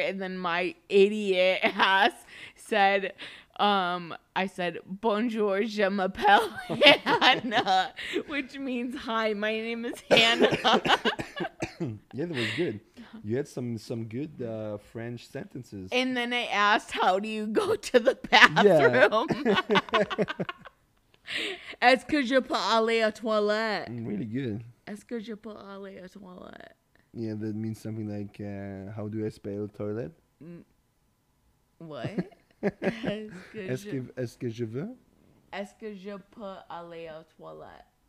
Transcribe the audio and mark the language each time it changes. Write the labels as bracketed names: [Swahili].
[English] And then my idiot ass said, I said, [French] bonjour, je m'appelle Hannah, [English] which means, hi, my name is Hannah. Yeah, that was good. You had some good French sentences. And then I asked, how do you go to the bathroom? Yeah. [French] Est-ce que je peux aller à toilette? [English] Really good. [French] Est-ce que je peux aller à toilette? [English] Yeah, that means something like, how do I spell toilet? What? [French] Est-ce que je veux? Est-ce que je peux aller à toilette?